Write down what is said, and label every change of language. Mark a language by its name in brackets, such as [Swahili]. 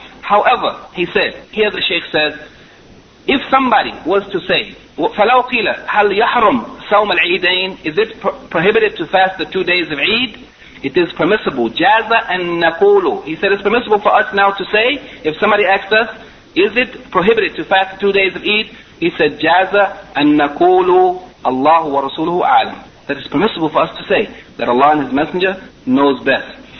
[English] However, he said, here the Shaykh says, if somebody was to say, [Arabic] فَلَوْ قِيلَ هَلْ يَحْرُمْ سَوْمَ الْعِيدَيْنِ, [English] is it prohibited to fast the 2 days of Eid? It is permissible. [Arabic] جَازَ أَن نَقُولُ. [English] He said, it's permissible for us now to say, if somebody asks us, is it prohibited to fast the 2 days of Eid? He said, [Arabic] جَازَ أَن نَقُولُ اللَّهُ وَرَسُولُهُ أَعْلَمُ. [English] That is permissible for us to say, that Allah and His Messenger knows best.